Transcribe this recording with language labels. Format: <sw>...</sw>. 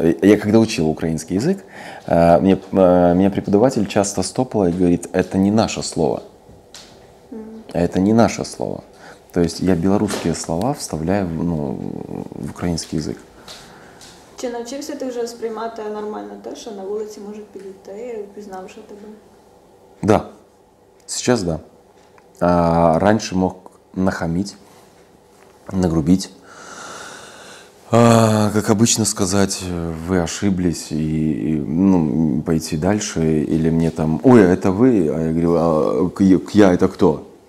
<ru>Я когда учил украинский язык, меня преподаватель часто стопала и говорит, это не наше слово. Это не наше слово. То есть я белорусские слова вставляю в украинский язык.</ru> <uk>Чи навчився ти вже сприймати нормально те, що на вулиці можуть підійти, впізнавши тебе?</uk> <ru>Да. Сейчас да. Раньше мог нахамить, нагрубить. Как обычно сказать, вы ошиблись и пойти дальше. Или мне там, ой, это вы? А я говорю, я это кто?</ru>